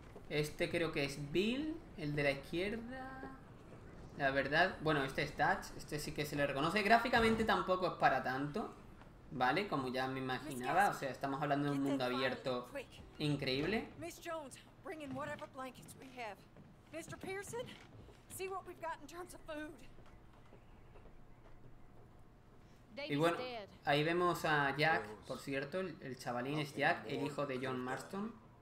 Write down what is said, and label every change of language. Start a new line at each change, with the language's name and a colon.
Spanish: Este creo que es Bill, el de la izquierda. La verdad, bueno, este es Dutch, este sí que se le reconoce. Gráficamente tampoco es para tanto. ¿Vale? Como ya me imaginaba, o sea, estamos hablando de un mundo abierto increíble.
English: Miss Jones, bring in whatever blankets we have. Mr. Pearson, see what we've got in terms of food.
Spanish: Y bueno, ahí vemos a Jack, por cierto, el chavalín es Jack, el hijo de John Marston.